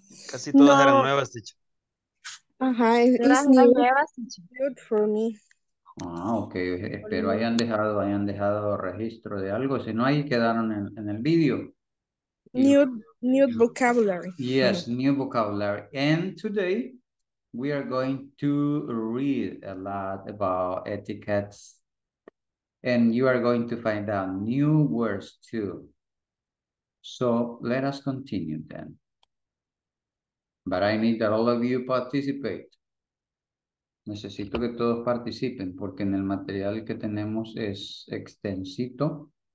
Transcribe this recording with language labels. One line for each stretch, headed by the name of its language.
Spanish: Casi todas no. Eran nuevas, dicho. Ajá, eran nuevas, dicho.
English: Good for me.
Spanish: Ah, ok, pero hayan dejado registro de algo, si no, ahí quedaron en el video.
English: New vocabulary. Yes, new vocabulary. And today we are going to read a lot about etiquettes, and you are going to find out new words too. So let us continue then. But I need that all of you participate.
Spanish: Necesito que todos participen porque en el material que tenemos es extensito.